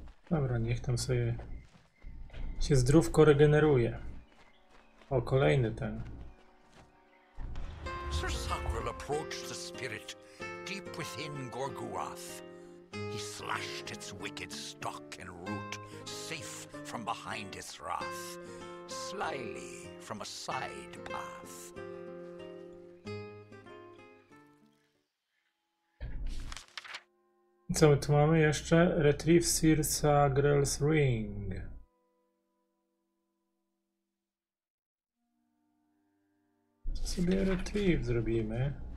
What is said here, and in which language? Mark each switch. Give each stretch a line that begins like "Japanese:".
Polish: Dobra, niech tam sobie się zdrówko regeneruje. O, kolejny ten.
English: Sir Sakril approached the spirit deep within Gorgoroth. He slashed its wicked stalk and root, safe from behind its wrath, slyly from a side path.
Polish: Co my tu mamy jeszcze?
English: Retrieve Sir Sagrel's Ring.
Polish: Co sobie retrieve zrobimy?